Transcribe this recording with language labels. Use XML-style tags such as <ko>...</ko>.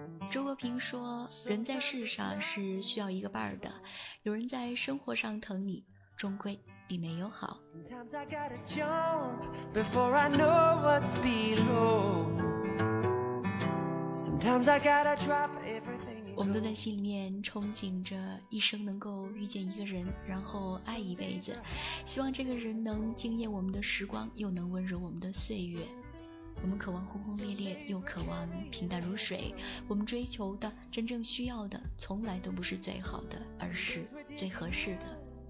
<zh>周国平说，人在世上是需要一个伴儿的，有人在生活上疼你，终归比没有好。</zh> <en>Sometimes I gotta jump before I know what's below。 Sometimes I gotta drop everything。</en> <zh>我们都在心里面憧憬着一生能够遇见一个人，然后爱一辈子，希望这个人能惊艳我们的时光，又能温柔我们的岁月。我们渴望轰轰烈烈，又渴望平淡如水。我们追求的、真正需要的，从来都不是最好的，而是最合适的。</zh>